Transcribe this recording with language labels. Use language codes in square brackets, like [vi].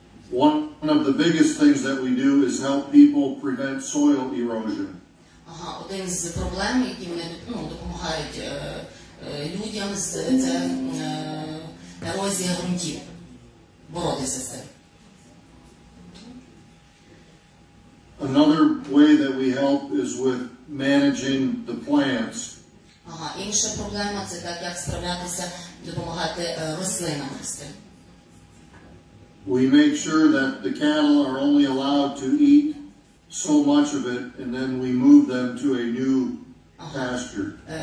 [en] One of the biggest things that we do is help people prevent soil erosion. [uk] Ага, один з проблем, які вони, ну, допомагають людям з це ерозія ґрунтів. Боротися з цим. [en] Another way that we help is with managing the plants. [uk] Ага, інша проблема це так, як справлятися, допомагати рослинам з цим. [en] We make sure that the cattle are only allowed to eat so much of it, and then we move them to a new pasture.